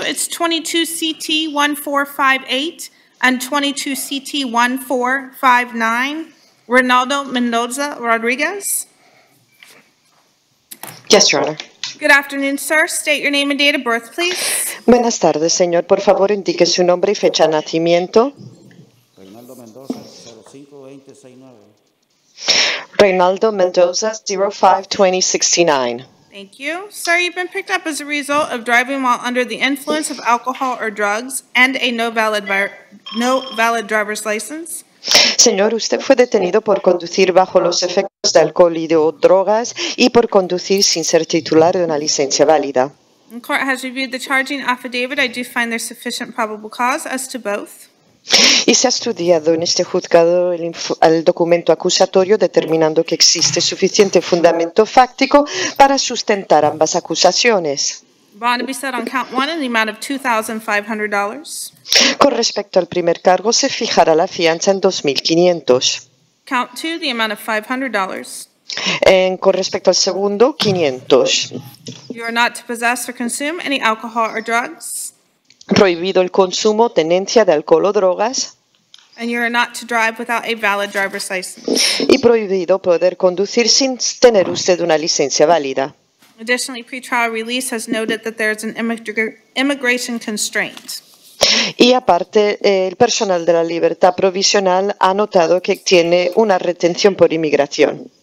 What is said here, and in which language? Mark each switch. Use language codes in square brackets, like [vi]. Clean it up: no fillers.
[en] It's 22CT1458 and 22CT1459, Ronaldo Mendoza Rodriguez. Yes, Your Honor. Good afternoon, sir. State your name and date of birth, please. [es] Buenas tardes, señor. Por favor, indique su nombre y fecha de nacimiento. Reynaldo Mendoza, 05-2069. Reynaldo Mendoza, 05-2069. [en] Thank you. Sir, you've been picked up as a result of driving while under the influence of alcohol or drugs and a no valid driver's license. [es] Señor, usted fue detenido por conducir bajo los efectos de alcohol y de drogas y por conducir sin ser titular de una licencia válida. [en] The court has reviewed the charging affidavit. I do find there's sufficient probable cause as to both. [es] Y se ha estudiado en este juzgado el documento acusatorio determinando que existe suficiente fundamento fáctico para sustentar ambas acusaciones. [en] Bond to be set on count one in the amount of $2,500. [es] Con respecto al primer cargo, se fijará la fianza en $2,500. [en] Count two, the amount of $500. [es] En, con respecto al segundo, $500. [en] You are not to possess or consume any alcohol or drugs. [es] Prohibido el consumo, tenencia de alcohol o drogas. [en] And you are not to drive without a valid driver's license. [es] Y prohibido poder conducir sin tener usted una licencia válida. [en] Additionally, pretrial release has noted that there is an immigration constraint. [es] Y aparte, el personal de la libertad provisional ha notado que tiene una retención por inmigración.